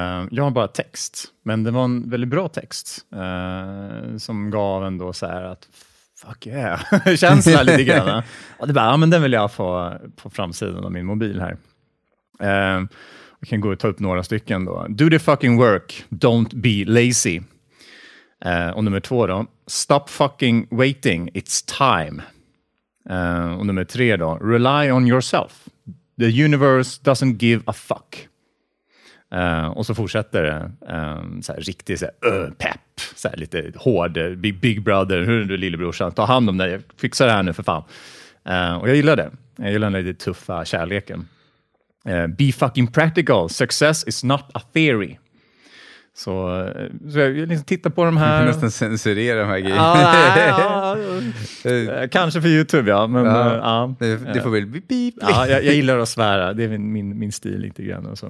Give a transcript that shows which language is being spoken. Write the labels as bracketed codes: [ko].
[sv] Jag har bara text, men det var en väldigt bra text som gav ändå så här att fuck yeah, känsla lite grann. Och det bara, ja, men den vill jag få på framsidan av min mobil här. Jag kan gå och ta upp några stycken då. [en] Do the fucking work, don't be lazy. [sv] Och nummer två då, [en] stop fucking waiting, it's time. [sv] Och nummer tre då, [en] rely on yourself. The universe doesn't give a fuck. [sv] Och så fortsätter det så här riktigt så här, pepp, så här lite hård, [en] big brother, [sv] hur är du lillebrorsan, ta hand om dig, jag fixar det här nu för fan. Och jag gillar det, jag gillar den lite tuffa kärleken. [en] Be fucking practical, success is not a theory. [sv] Så jag liksom tittar på de här. Du nästan censurera de här grejerna. Kanske för YouTube, ja. Men, det får väl bli. Jag gillar att svära. Det är min stil lite grann.